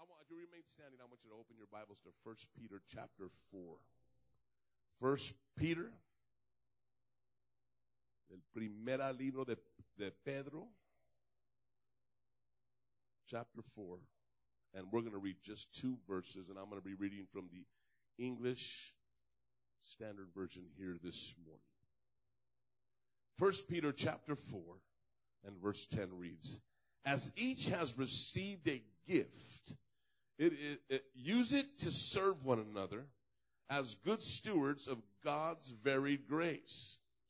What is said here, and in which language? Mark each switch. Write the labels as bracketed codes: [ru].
[en] you remain standing, I want you to open your Bibles to 1 Peter chapter 4. [es] 1 Peter, el primer libro de Pedro, [en] chapter 4. And we're going to read just two verses, and I'm going to be reading from the English Standard Version here this morning. 1 Peter chapter 4 and verse 10 reads, "As each has received a gift, use it to serve one another as good stewards of God's varied grace."